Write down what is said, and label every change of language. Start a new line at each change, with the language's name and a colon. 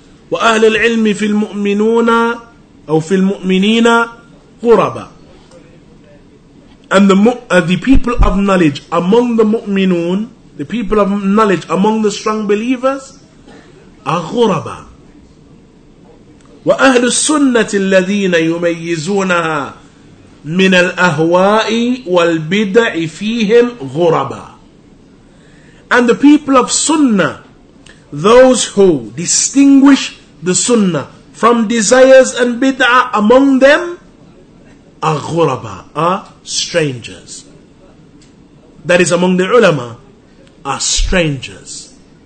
Arabic: Wa ahli al-ilmi fi al-mu'minuna aw fi al-mu'minina ghuraba.
English: And the people of knowledge among the mu'minun, the people of knowledge among the strong believers, are ghuraba.
Arabic: وأهل السنة الذين يميزونها من الأهواء والبدع فيهم غربا.
English: And the people of Sunnah, those who distinguish the Sunnah from desires and bid'ah among them, are غربا, are strangers. That is, among the ulama, are strangers.